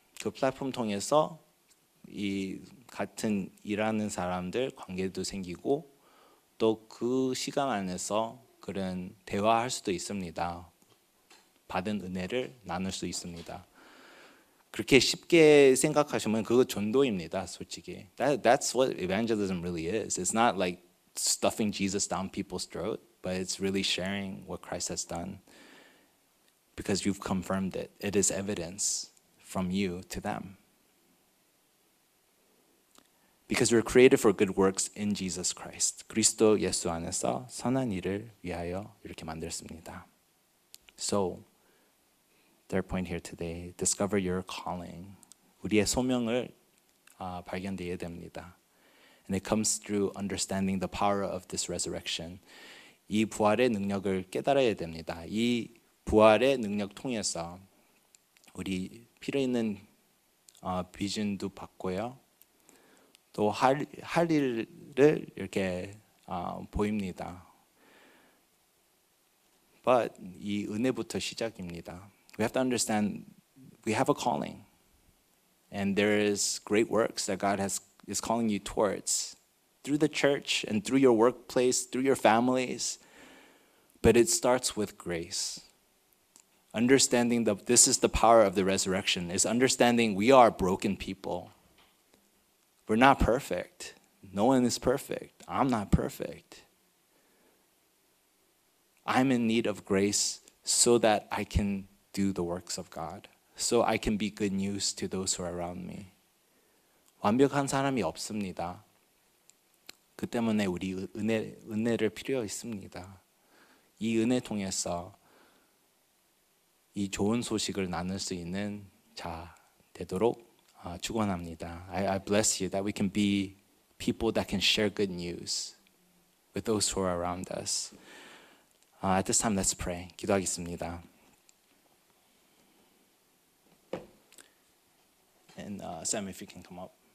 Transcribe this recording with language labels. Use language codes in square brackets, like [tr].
[ko] 그 플랫폼 통해서 이 같은 일하는 사람들 관계도 생기고 또 그 시간 안에서 그런 대화할 수도 있습니다. 받은 은혜를 나눌 수 있습니다. 그렇게 쉽게 생각하시면 그거 전도입니다, 솔직히. [en] That's what evangelism really is. It's not like stuffing Jesus down people's throat, but it's really sharing what Christ has done because you've confirmed it. It is evidence from you to them. Because we're created for good works in Jesus Christ. [ko] 그리스도 예수 안에서 선한 일을 위하여 이렇게 만들었습니다. [en] So, third point here today, discover your calling. [ko] 우리의 소명을 발견되어야 됩니다. [en] And it comes through understanding the power of this resurrection. [ko] 이 부활의 능력을 깨달아야 됩니다. 이 부활의 능력 통해서 우리 필요 있는 비전도 받고요. 또 할 일을 이렇게 보입니다. But 이 은혜부터 시작입니다. [en] We have to understand we have a calling. And there is great works that God is calling you towards through the church and through your workplace, through your families. But it starts with grace. Understanding that this is the power of the resurrection is understanding we are broken people. We're not perfect. No one is perfect. I'm not perfect. I'm in need of grace so that I can do the works of God, so I can be good news to those who are around me. [ko] 완벽한 사람이 없습니다. 그 때문에 우리 은혜를 필요 있습니다. 이 은혜 통해서 이 좋은 소식을 나눌 수 있는 자 되도록 축원합니다. [en] I bless you that we can be people that can share good news with those who are around us. At this time, let's pray. [ko] 기도하겠습니다. [en] And Sam, if you can come up.